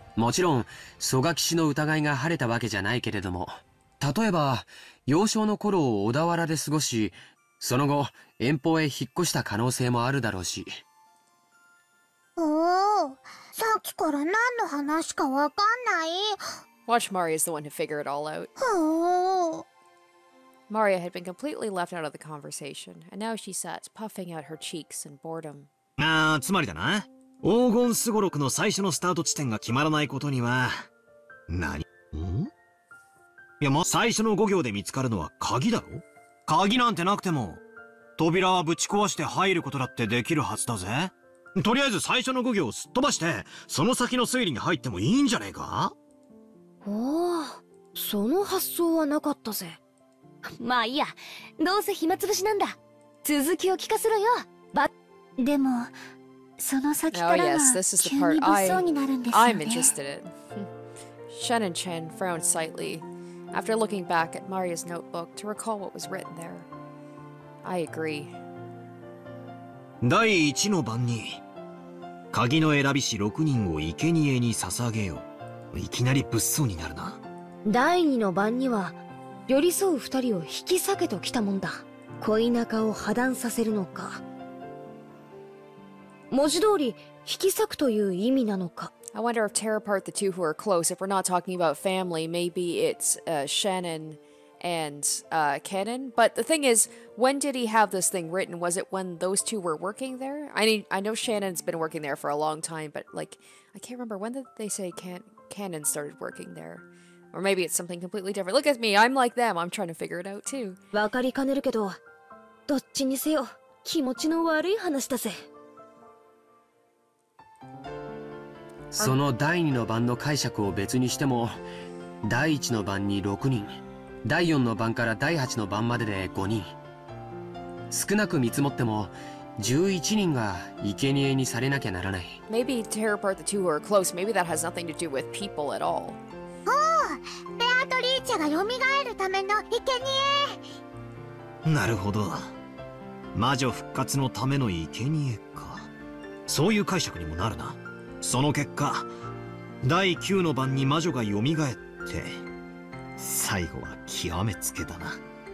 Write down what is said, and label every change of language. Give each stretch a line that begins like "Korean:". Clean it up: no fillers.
Japanese: もちろん蘇我騎士の疑いが晴れたわけじゃないけれども、例えば幼少の頃を小田原で過ごし、その後遠方へ引っ越した可能性もあるだろうし。おお、さっきから何の話かわかんない。
English: Watch Maria is the one to figure it all out. Maria had been completely left out of the conversation, and now she sat puffing out her cheeks in boredom.
Japanese: ああ、つまりだな、黄金スゴロクの最初のスタート地点が決まらないことには何、ん、いや、まあ、最初の5行で見つかるのは鍵だろ。鍵なんてなくても扉はぶち壊して入ることだってできるはずだぜ。とりあえず最初の5行をすっ飛ばしてその先の推理に入ってもいいんじゃねえか。おお、その発想はなかったぜ。まあいいや、どうせ暇つぶしなんだ。続きを聞かせろよ。ば、でもその先からは急に物騒になるんですよね。
English: I'm interested in. Shen and Chen frowned slightly after looking back at Maria's notebook to recall what was written there. I agree.
Japanese: 第一の晩に鍵の選び師6人を生贄に捧げよう。いきなり物騒になるな。第二の晩には寄り添う二人を引き裂けときたもんだ。恋仲を破談させるのか、文字通り引き裂くという意味なのか。
English: I wonder if tear apart the two who are close, if we're not talking about family, maybe it's Shannon and Kenan. But the thing is, when did he have this thing written? Was it when those two were working there? I know Shannon's been working there for a long time, but like, I can't remember when did they say Kenan started working there? Or maybe it's something completely different. Look at me, I'm like them, I'm trying to figure it out too.
Japanese: 分かりかねるけど、どっちにせよ気持ちの悪い話だぜ。その第二の番の解釈を別にしても、第一の番に6人、第四の番から第八の番までで5人、少なく見積もっても11人が生贄にされなきゃならない。
English: Maybe tear apart the two who are close, maybe that has nothing to do with people at all.
Japanese: おお、ベアトリーチェが蘇るための生贄。なるほど、魔女復活のための生贄か。そういう解釈にもなるな。その結果第9の晩に魔女が蘇って、最後は極めつけだな。